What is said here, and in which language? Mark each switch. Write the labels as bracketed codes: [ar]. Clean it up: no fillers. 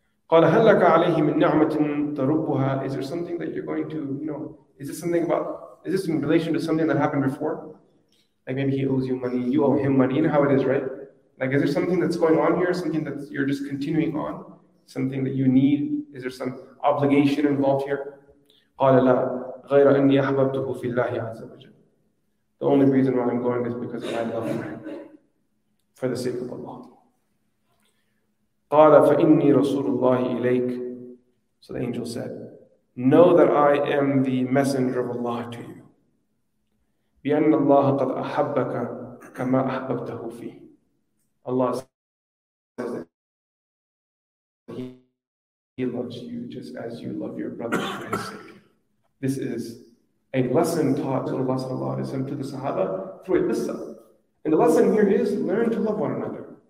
[ar] قَالَ هَلَّكَ عَلَيْهِ مِنْ نِعْمَةٍ تَرُبُّهَا. [en] Is there something that you're going to, you know, is this something about, is this in relation to something that happened before? Like maybe he owes you money, you owe him money, you know how it is, right? Like, is there something that's going on here, something that you're just continuing on, something that you need? Is there some obligation involved here? [ar] قال لا غير أني أحببته في الله عز وجل. [en] The only reason why I'm going is because of my love for the sake of Allah. [ar] قال فإني رسول الله إليك. [en] So the angel said, know that I am the messenger of Allah to you. [ar] بأن الله قد أحبك كما أحببته فيه. [en] Allah says that He loves you just as you love your brother for His sake. This is a lesson taught to Allah sallallahu alayhi wa sallam, to the Sahaba, through a qissa. And the lesson here is, learn to love one another.